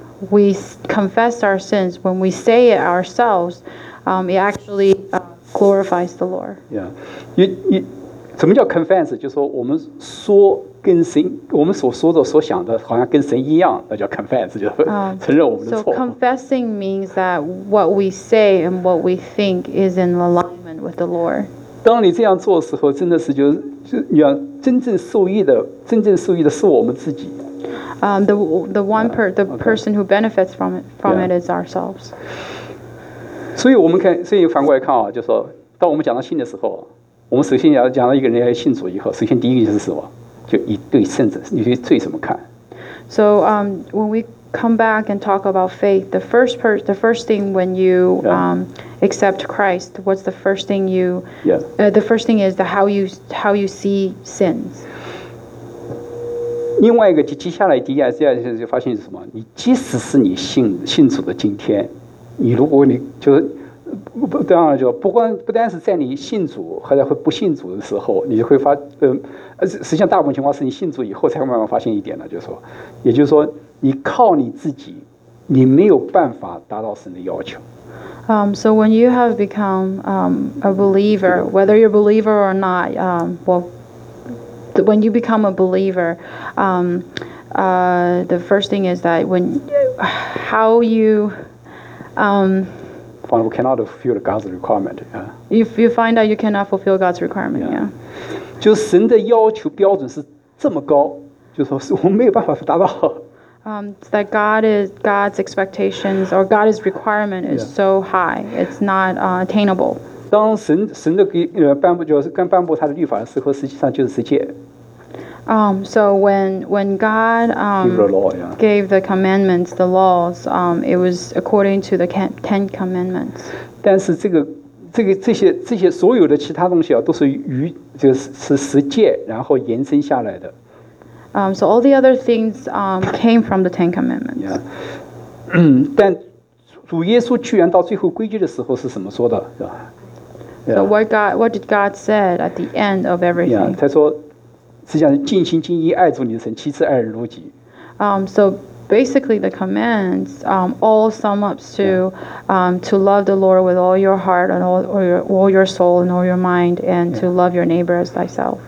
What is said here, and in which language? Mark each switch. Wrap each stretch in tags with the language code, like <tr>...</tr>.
<en>We confess our sins, when we say it ourselves, it actually glorifies the Lord. Yeah.</en> <zh>什么叫 confess? 就是说我们说跟神，我们所说的所想的好像跟神一样，那叫 confess, 就是承认我们的错。</zh> <en>So confessing means that what we say and what we think is in alignment with the Lord.</en> <zh>当你这样做的时候，真的是就要真正受益的是我们自己。</zh> <en>The person who benefits from it is ourselves.</en> <zh>所以我们看，所以反过来看啊，就是说，当我们讲到信的时候，我们首先要讲到一个人要信主以后，首先第一个就是什么，就你对圣子，你对罪怎么看</zh> <en>？So when we come back and talk about faith, the first thing when you accept Christ, what's the first thing you? Yeah. The first thing is the how you see sins.</en> <zh>另外一个接下来第一件事就发现是什么，你即使是你信主的今天，你如果你就是当然就不单是在你信主或者会不信主的时候，你就会发实际上大部分情况是你信主以后才会慢慢发现一点的，就是说也就是说你靠你自己你没有办法达到神的要求。</zh> <en>So when you have become a believer, whether you're a believer or not, when you become a believer, the first thing is that when how you find we cannot fulfill God's requirement. Yeah. If you find out you cannot fulfill God's requirement, yeah.</en> <zh>就神的要求标准是这么高，就是说我没有办法达到。</zh> <en>That God's expectations or God's requirement is so high, it's not attainable.</en> <zh>当神的颁布就是刚颁布他的律法的时候，实际上就是十诫。</zh> <en>So when God gave the commandments, the laws, it was according to the Ten Commandments.</en> <zh>但是这些所有的其他东西啊，都是于就是十诫然后延伸下来的。</zh> <en>So all the other things came from the Ten Commandments. Yeah.</en> <zh>但主耶稣居然到最后归居的时候是怎么说的？是吧？</zh> <en>So what did God say at the end of everything?</en> <zh>Yeah. 他说，实际上尽心尽意爱主你的神，其次爱人如己。</zh> <en>So basically the commands all sum up to to love the Lord with all your heart and all your soul and all your mind and to love your neighbor as thyself.</en>